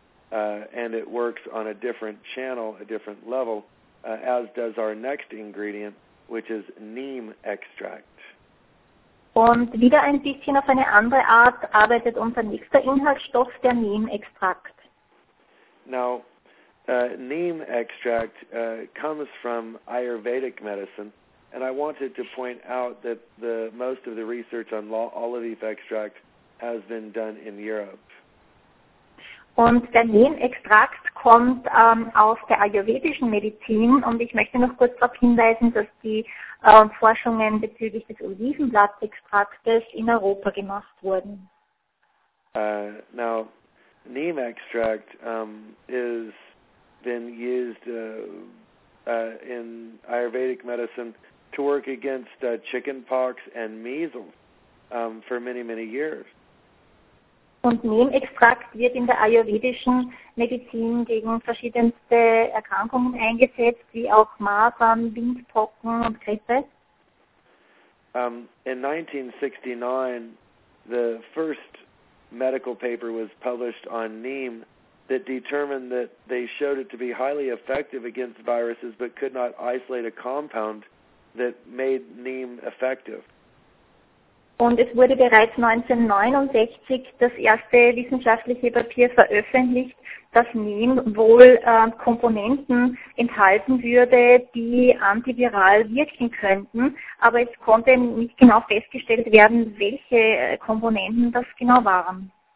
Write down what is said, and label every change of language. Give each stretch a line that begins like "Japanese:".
English: And it works on a different channel, a different level, as does our next ingredient, which is neem extract.
German: Und wieder ein bisschen auf eine andere Art arbeitet unser nächster Inhaltsstoff, der Neem-Extrakt.
English: Now, neem extract comes from Ayurvedic medicine, and I wanted to point out that most of the research on olive leaf extract has been done in Europe.
German: Und der Neem-Extrakt kommt aus der ayurvedischen Medizin und ich möchte noch kurz darauf hinweisen, dass die Forschungen bezüglich des Olivenblattextraktes in Europa gemacht wurden.
English: Now, neem extract is been used in Ayurvedic medicine to work against chickenpox and measles for many, many years.
German: Und Neem-Extrakt wird in der ayurvedischen Medizin gegen verschiedenste Erkrankungen eingesetzt, wie auch Masern, Windpocken und Grippe.
English: In 1969, the first medical paper was published on neem that determined that they showed it to be highly effective against viruses, but could not isolate a compound that made neem effective.
German: Und es wurde bereits 1969 das erste wissenschaftliche Papier veröffentlicht, dass Neem wohl Komponenten enthalten würde, die antiviral wirken könnten. Aber es konnte nicht genau festgestellt werden, welche Komponenten das genau waren.